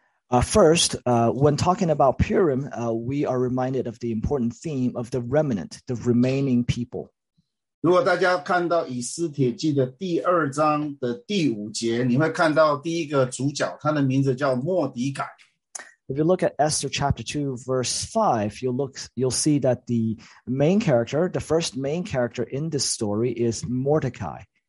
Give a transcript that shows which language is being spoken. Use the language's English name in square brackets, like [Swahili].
[English] When talking about Purim, we are reminded of the important theme of the remnant, the remaining people. [Chinese] 如果大家看到以斯帖记的第二章的第五节, 你会看到第一个主角,他的名字叫莫迪改。 [English] If you look at Esther chapter 2, verse 5, you'll see that the main character, the first main character in this story is Mordecai.